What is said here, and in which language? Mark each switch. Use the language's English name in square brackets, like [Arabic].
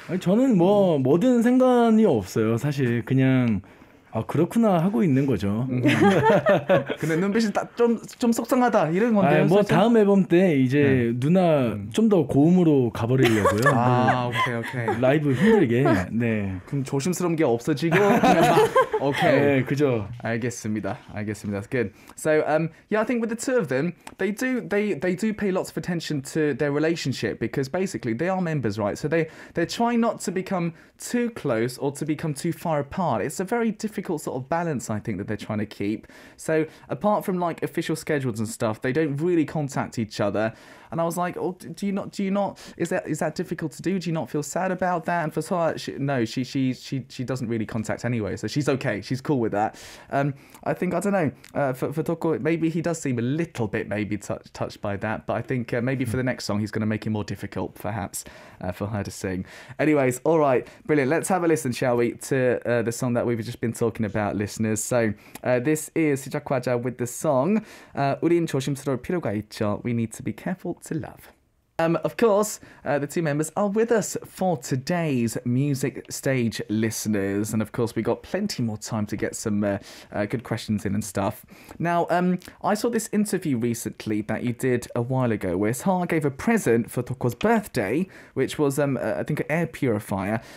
[Korean] 아니, 저는 뭐 뭐든 상관이 없어요. 사실 그냥 아 그렇구나 하고 있는 거죠. 근데 눈빛이 좀 속상하다 이런 건데. 뭐 다음 앨범 때 이제 누나 좀 더 고음으로 가버리려고요. 아 오케이 오케이. 라이브 힘들게. 네. 그럼 조심스러운 게 없어지고 그냥 막 오케이. 네, 그죠. 알겠습니다. 알겠습니다. [English] That's good. So yeah, I think with the two of them, they do pay lots of attention to their relationship because basically they are members, right? So they're trying not to become too close or to become too far apart. It's a very difficult sort of balance, I think, that they're trying to keep. So apart from like official schedules and stuff, they don't really contact each other. And I was like, oh, do you not? Is that difficult to do? Do you not feel sad about that? And for her, she doesn't really contact anyway, so she's okay. She's cool with that. I think, I don't know. For Toko, maybe he does seem a little bit maybe touched by that. But I think maybe for the next song, he's going to make it more difficult, perhaps, for her to sing. Anyways, all right, brilliant. Let's have a listen, shall we, to the song that we've just been talking about, listeners. So this is 시작하자 with the song. [Korean] 우린 조심스러울 필요가 있죠. [English] We need to be careful to love. Of course, the two members are with us for today's Music Stage listeners. And of course, we got plenty more time to get some good questions in and stuff. Now, I saw this interview recently that you did a while ago where Sahar gave a present for Toko's birthday, which was, I think, an air purifier.